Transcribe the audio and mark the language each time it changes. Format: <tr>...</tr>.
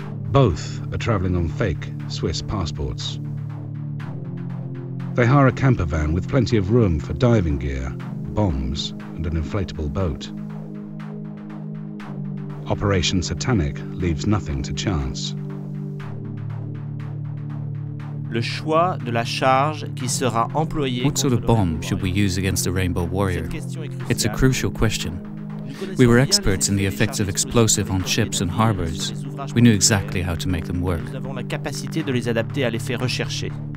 <en>Both are traveling on fake Swiss passports. They hire a camper van with plenty of room for diving gear, bombs, and an inflatable boat. Operation Satanique leaves nothing to chance.</en> <fr>Le choix de la charge qui sera employée.</fr> <en>What sort of bomb should we use against the Rainbow Warrior? It's a crucial question. We were experts in the effects of explosive on ships and harbors. We knew exactly how to make them work.</en> <fr>Nous avons la capacité de les adapter à l'effet recherché.</fr>